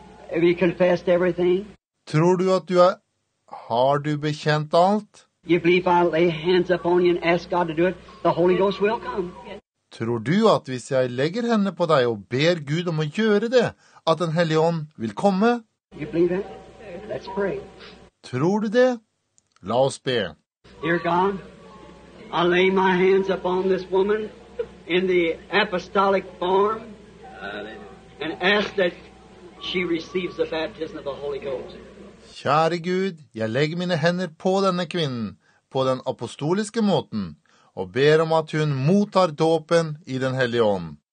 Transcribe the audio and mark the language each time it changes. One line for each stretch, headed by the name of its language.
English: Have you confessed everything?
Norwegian: Tror du at du Har du bekjent alt?
English: You believe I lay hands upon you and ask God to do it, the Holy Ghost will come.
Norwegian: Tror du at hvis jeg legger henne på deg og ber Gud om å gjøre det, at den hellige ånd vil komme?
English: You believe it? Let's pray.
Norwegian: Tror du det? La oss be.
English: Dear God, I lay my hands upon this woman in the apostolic form and ask that she receives the baptism of the Holy Ghost.
Norwegian: Kjære Gud, jeg legger mine hender på denne kvinnen på den apostoliske måten og ber om at hun mottar dåpen I den hellige ånd.